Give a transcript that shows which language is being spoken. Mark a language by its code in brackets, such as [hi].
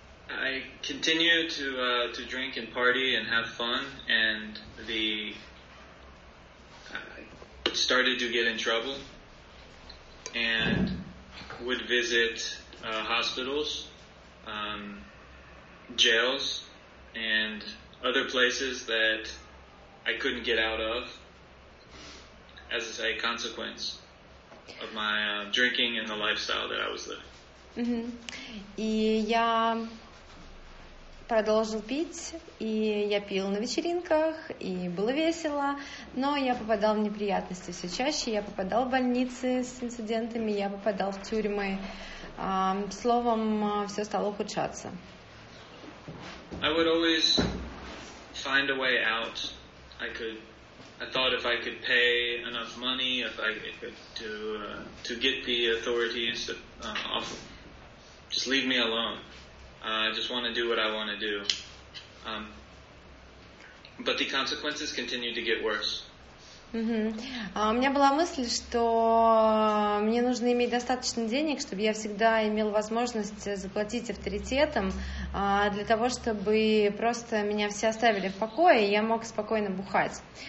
[en] I continue to drink and party and have fun, and the I started to get in trouble and would visit hospitals, jails, and other places that I couldn't get out of. As a consequence of my drinking and the lifestyle that I was living. [ru] И я продолжил пить, и я пил на вечеринках, и было весело, но я попадал в неприятности все чаще. Я попадал в больницы с инцидентами, я попадал в тюрьмы. Словом, все стало ухудшаться. [en] I would always find a way out. I thought if I could pay enough money, if I could to get the authorities off, just leave me alone. I just want to do what I want to do. But the consequences continued to get worse. [ru] У меня была мысль, что мне нужно иметь достаточно денег, чтобы я всегда имел возможность заплатить авторитетам для того, чтобы просто меня все оставили в покое, и я мог спокойно бухать.